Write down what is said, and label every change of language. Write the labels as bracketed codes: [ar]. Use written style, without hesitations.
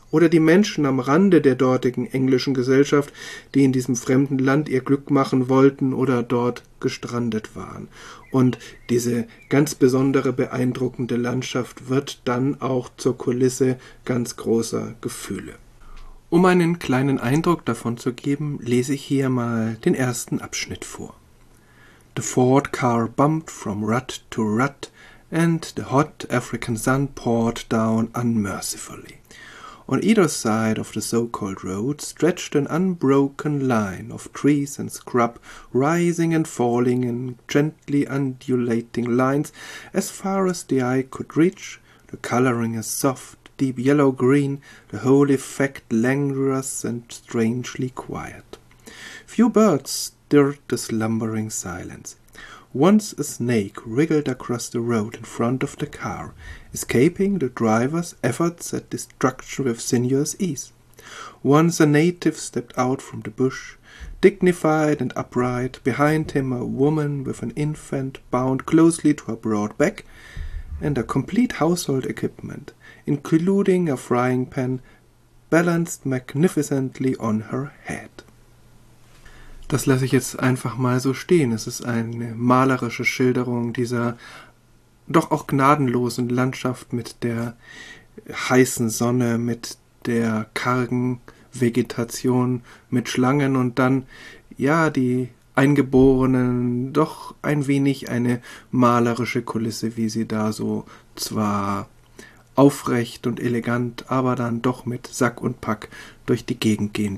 [de] Oder die Menschen am Rande der dortigen englischen Gesellschaft, die in diesem fremden Land ihr Glück machen wollten oder dort gestrandet waren. Und diese ganz besondere, beeindruckende Landschaft wird dann auch zur Kulisse ganz großer Gefühle. Um einen kleinen Eindruck davon zu geben, lese ich hier mal den ersten Abschnitt vor. [en] The Ford car bumped from rut to rut, and the hot African sun poured down unmercifully. On either side of the so-called road stretched an unbroken line of trees and scrub, rising and falling in gently undulating lines as far as the eye could reach, the colouring as soft, deep yellow-green, the whole effect languorous and strangely quiet. Few birds stirred the slumbering silence. Once a snake wriggled across the road in front of the car, escaping the driver's efforts at destruction with sinuous ease. Once a native stepped out from the bush, dignified and upright, behind him a woman with an infant bound closely to her broad back, and a complete household equipment, including a frying pan, balanced magnificently on her head. [de] Das lasse ich jetzt einfach mal so stehen. Es ist eine malerische Schilderung dieser doch auch gnadenlosen Landschaft mit der heißen Sonne, mit der kargen Vegetation, mit Schlangen und dann, ja, die Eingeborenen, doch ein wenig eine malerische Kulisse, wie sie da so zwar aufrecht und elegant, aber dann doch mit Sack und Pack durch die Gegend gehen.